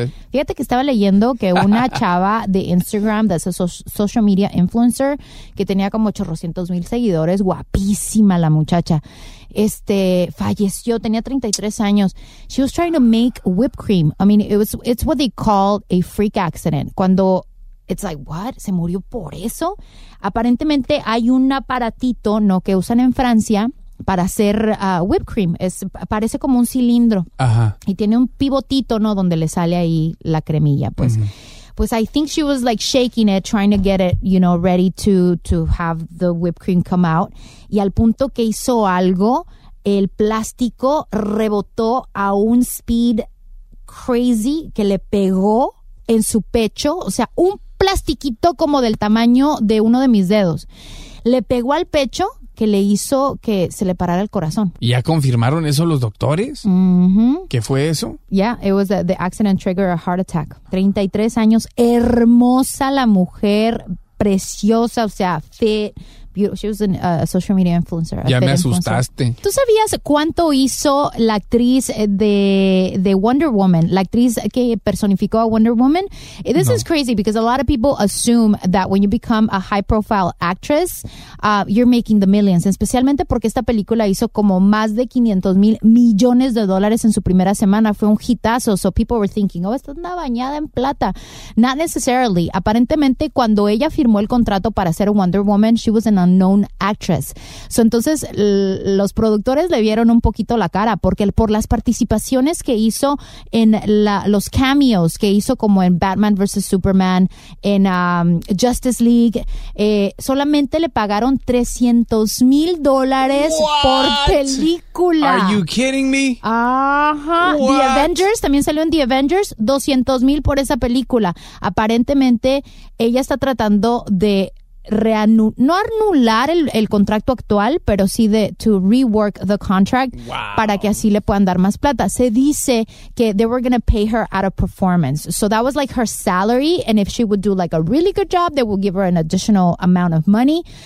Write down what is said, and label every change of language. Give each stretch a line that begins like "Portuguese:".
Spanish: Fíjate que estaba leyendo que una chava de Instagram, de esa social media influencer, que tenía como 800,000 seguidores, guapísima la muchacha, falleció, tenía 33 años.
English: She was trying to make whipped cream. I mean, it's what they call a freak accident.
Spanish: Cuando,
English: it's like, what?
Spanish: ¿Se murió por eso? Aparentemente hay un aparatito, ¿no?, que usan en Francia para hacer whipped cream. Parece como un cilindro. Ajá. Y tiene un pivotito, ¿no?, donde le sale ahí la cremilla, pues.
English: Pues I think she was like shaking it, trying to get it, you know, ready to have the whipped cream come out.
Spanish: Y al punto que hizo algo, el plástico rebotó a un
English: speed crazy
Spanish: que le pegó en su pecho. O sea, un plastiquito como del tamaño de uno de mis dedos. Le pegó al pecho, que le hizo que se le parara el corazón. ¿Ya confirmaron eso los doctores? Mm-hmm. ¿Qué fue eso?
English: Yeah, it was the accident triggered a heart attack.
Spanish: 33 años, hermosa la mujer, preciosa, o sea,
English: fit, beautiful. She was a social media influencer.
Spanish: Ya me asustaste. ¿Tú sabías cuánto hizo la actriz de Wonder Woman? La actriz que personificó a Wonder Woman.
English: This is crazy because a lot of people assume that when you become a high profile actress, you're making the millions.
Spanish: Especialmente porque esta película hizo como más de 500,000 millones de dólares en su primera semana. Fue un hitazo.
English: So people were thinking, oh,
Spanish: está una bañada en plata.
English: Not necessarily.
Spanish: Aparentemente, cuando ella firmó el contrato para ser Wonder Woman,
English: she was unknown actress.
Spanish: So, entonces los productores le vieron un poquito la cara porque por las participaciones que hizo en los cameos que hizo como en Batman vs. Superman, en Justice League, solamente le pagaron $300,000 por película.
English: Are you kidding me?
Spanish: Ajá. The Avengers, también salió en The Avengers, $200,000 por esa película. Aparentemente ella está tratando de no anular el contrato actual, pero sí de
English: to rework the contract. Wow.
Spanish: Para que así le puedan dar más plata. Se dice que
English: they were going to pay her out of performance. So that was like her salary, and if she would do like a really good job, they would give her an additional amount of money.